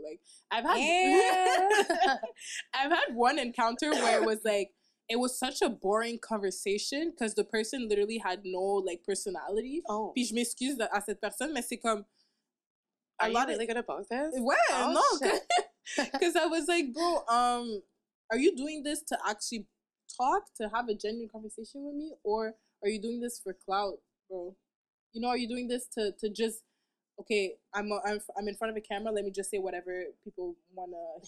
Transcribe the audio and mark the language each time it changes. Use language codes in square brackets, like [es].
[en] Like, I've had one encounter where it was like, it was such a boring conversation because the person literally had no, like, personality. Oh. [fr] Puis je m'excuse à cette personne, mais c'est comme... [en] Are you really good at both this? What? Oh, no. Because I was like, bro, are you doing this to actually talk, to have a genuine conversation with me? Or are you doing this for clout, bro? You know, are you doing this to just okay, I'm in front of a camera. Let me just say whatever people want to